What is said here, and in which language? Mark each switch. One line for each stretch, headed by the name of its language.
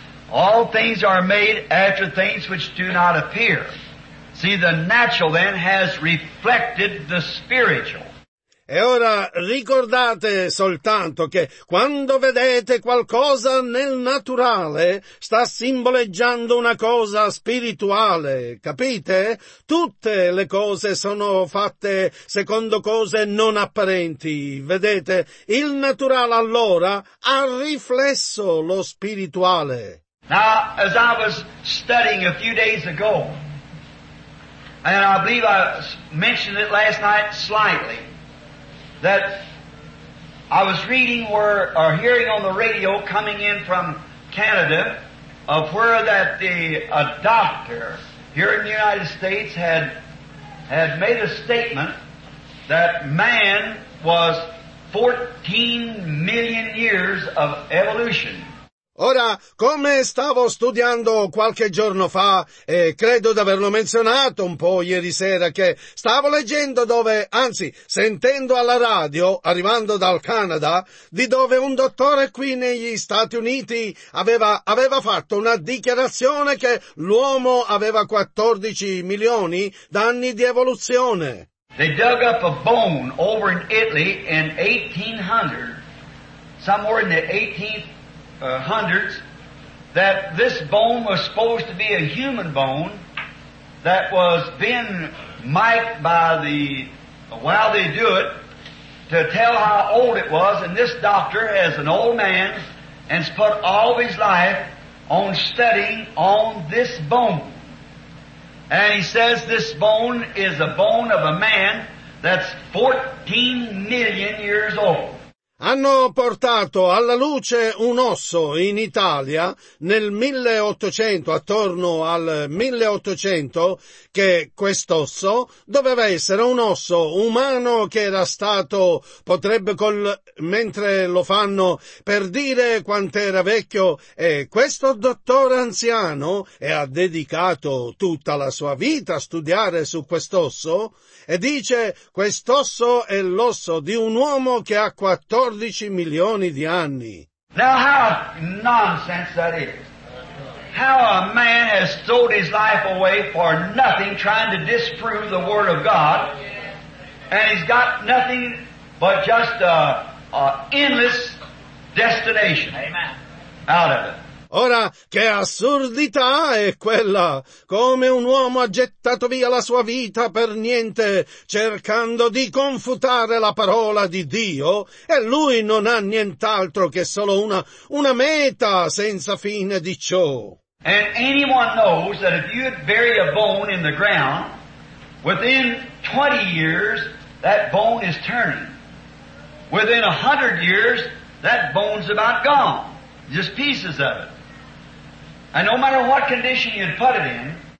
English: All things are made after things which do not appear. See, the natural then has reflected the spiritual.
Italian: E ora ricordate soltanto che quando vedete qualcosa nel naturale sta simboleggiando una cosa spirituale, capite? Tutte le cose sono fatte secondo cose non apparenti, vedete? Il naturale allora ha riflesso lo spirituale.
English: Now, as I was studying a few days ago, and I believe I mentioned it last night slightly, that I was reading or hearing on the radio coming in from Canada of where that a doctor here in the United States had made a statement that man was 14 million years of evolution.
Italian: Ora, come stavo studiando qualche giorno fa, e credo di averlo menzionato un po' ieri sera, che stavo leggendo dove, anzi, sentendo alla radio, arrivando dal Canada, di dove un dottore qui negli Stati Uniti aveva fatto una dichiarazione che l'uomo aveva 14 milioni d'anni di evoluzione.
English: They dug up a bone over in Italy in 1800, somewhere in the 1800s, that this bone was supposed to be a human bone that was being mic'd by the, while they do it, to tell how old it was, and this doctor is an old man and's put all of his life on studying on this bone. And he says this bone is a bone of a man that's 14 million years old.
Italian: Hanno portato alla luce un osso in Italia nel 1800, attorno al 1800, che quest'osso doveva essere un osso umano che era stato, potrebbe col, mentre lo fanno, per dire quant'era vecchio, e questo dottore anziano, e ha dedicato tutta la sua vita a studiare su quest'osso, e dice quest'osso è l'osso di un uomo che ha 14 milioni di anni.
English: Now how nonsense that is. How a man has sold his life away for nothing, trying to disprove the word of God, and he's got nothing but just a endless destination. Amen. Out of it.
Italian: Ora, che assurdità è quella! Come un uomo ha gettato via la sua vita per niente, cercando di confutare la parola di Dio, e lui non ha nient'altro che solo una meta senza fine di ciò.
English: And anyone knows that if you'd bury a bone in the ground, within 20 years, that bone is turning. Within 100 years, that bone's about gone. Just pieces of it. And no matter what condition you'd put it in.